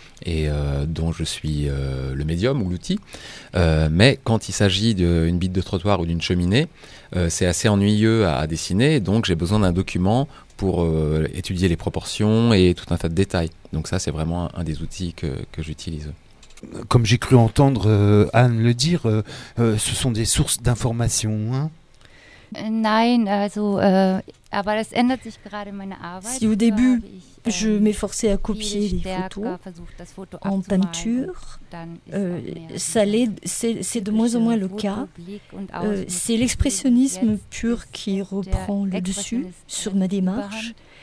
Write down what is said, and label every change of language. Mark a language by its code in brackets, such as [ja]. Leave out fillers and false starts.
[fr] Et dont je suis le médium ou l'outil. Mais quand il s'agit d'une bite de trottoir ou d'une cheminée, c'est assez ennuyeux à dessiner, donc j'ai besoin d'un document pour étudier les proportions et tout un tas de détails. Donc ça, c'est vraiment un des outils que j'utilise. Comme j'ai cru entendre Anne le dire, ce sont des sources d'informations, hein? [de] Nein, also, aber das ändert sich gerade meine Arbeit. [fr] Si au début, je m'efforçais à copier les photos en peinture, c'est de moins en moins le cas. C'est l'expressionnisme pur qui reprend le dessus sur ma démarche.